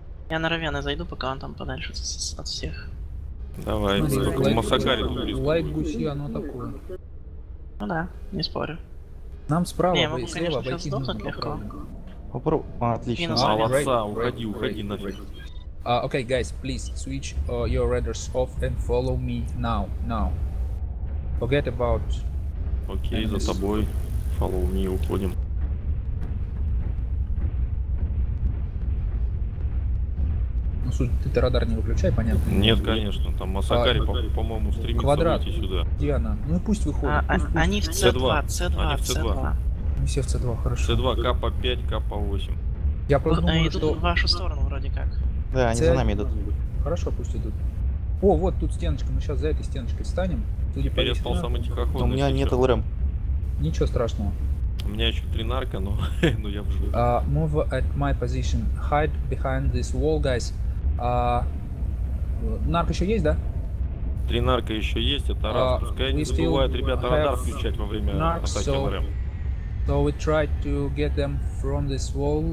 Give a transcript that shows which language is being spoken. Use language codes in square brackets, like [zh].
[ru] Я на Равена зайду, пока он там подальше от всех. Давай, только в Масакари тут близко. Лайк гуси, оно такое. Ну да, не спорю. Нам справа, слева, обойти. Не, могу, конечно, сейчас сдохнуть легко. Попробуй, отлично. Молодца, уходи, уходи нафиг. [en] Окей, guys, please, switch your radars off and follow me now, now. Forget about... [ru] Окей, за тобой. [en] Follow me, [ru] уходим. Ну, суть, ты радар не выключай, понятно? Нет, конечно, там Масакари, по-моему, стремится квадрат. Выйти сюда. Где она? Ну и пусть выходит. Они в С2, С2, С2. Они все в С2, хорошо. С2, Капа 5, Капа 8. Я просто думаю, что... Идут в вашу сторону вроде как. Да, они за нами идут. Хорошо, пусть идут. О, вот тут стеночка, мы сейчас за этой стеночкой встанем. Перестал самый тихоходный. У меня нет ЛРМ. Ничего страшного. У меня еще три нарка, но я в живых. [en] Move at my position. Hide behind this wall, guys. [ru] Нарк еще есть, да? Три нарка еще есть, это раз. Пускай не забывают, ребята, радар включать во время [en] narcs, [ru] атаки ЛРМ. [en] So we tried to get them from this wall.